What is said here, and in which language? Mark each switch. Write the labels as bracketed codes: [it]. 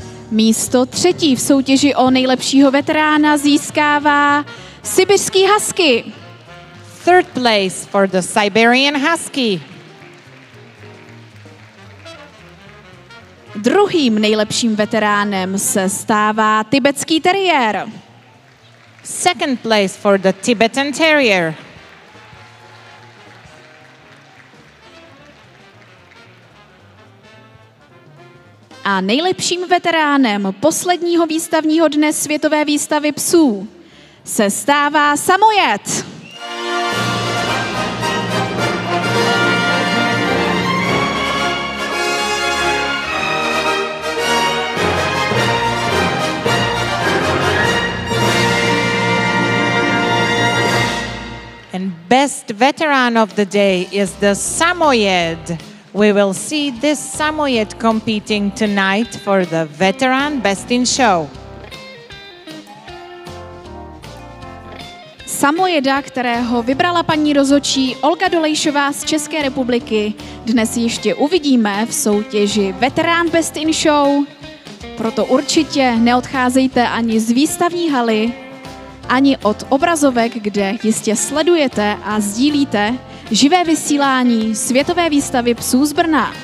[cs] Místo třetí v soutěži o nejlepšího veterána získává Sibirský husky. [en] Third place for the Siberian husky. [cs] Druhým nejlepším veteránem se stává tibetský teriér. [en] Second place for the Tibetan terrier. [cs] A nejlepším veteránem posledního výstavního dne světové výstavy psů se stává Samojed. [en] And best veteran of the day is the Samojed. We will see this Samojed competing tonight for the Veteran Best in Show. [cs] Samojeda, kterého vybrala paní rozhodčí Olga Dolejšová z České republiky, dnes ještě uvidíme v soutěži Veterán Best in Show. Proto určitě neodcházejte ani z výstavní haly, ani od obrazovek, kde jistě sledujete a sdílíte živé vysílání světové výstavy psů z Brna.